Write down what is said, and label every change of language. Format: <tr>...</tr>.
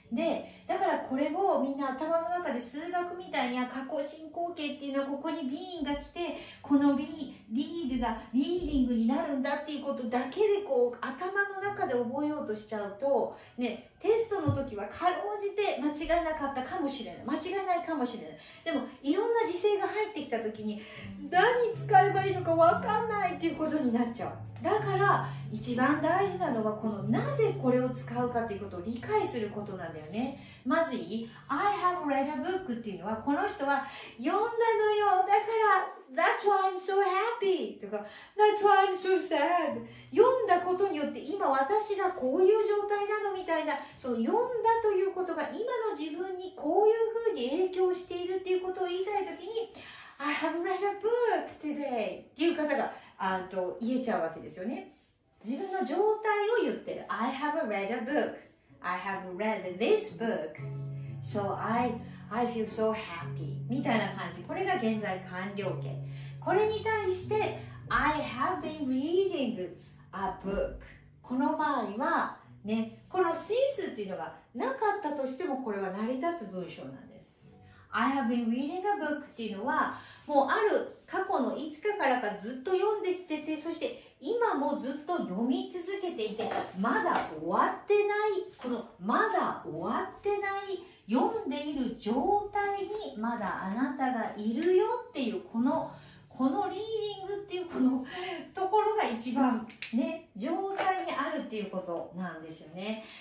<ja>でだからこれをみんな頭の中で数学みたいに過去進行形っていうのはここに being が来てこの read が reading になるんだっていうことだけでこう頭の中で覚えようとしちゃうとね、テストの時はかろうじて間違いなかったかもしれない、間違いないかもしれない、でもいろんな時制が入ってきた時に何使えばいいのか分かんないっていうことになっちゃう。だから一番大事なのはこのなぜこれを使うかっていうことを理解することなんだよね。まずいい</ja> <en>I have read a book</en> <ja>っていうのはこの人は読んだのよ、だから</ja> <en>That's why I'm so happy!</en> <ja>とか</ja> <en>That's why I'm so sad!</en> <ja>読んだことによって今私がこういう状態なのみたいな、その読んだということが今の自分にこういうふうに影響しているっていうことを言いたいときに</ja> <en>I have read a book today!</en> <ja>っていう方が言えちゃうわけですよね。自分の状態を言ってる。</ja> <en>I have read a book. I have read this book. So I feel so happy.</en> <ja>みたいな感じ。これが現在完了形。</ja> <en>これに対して I have been reading a book.</en> <ja>この場合は、ね、この since っていうのがなかったとしてもこれは成り立つ文章なんです。</ja> <en>I have been reading a book</en> <ja>っていうのはもうある過去のいつかからかずっと読んできてて、そして今もずっと読み続けていて、まだ終わってない、このまだ終わってない読んでいる状態にまだあなたがいるよっていう、このリーディングっていうこのところが一番ね、状態にあるっていうことなんですよね。</ja>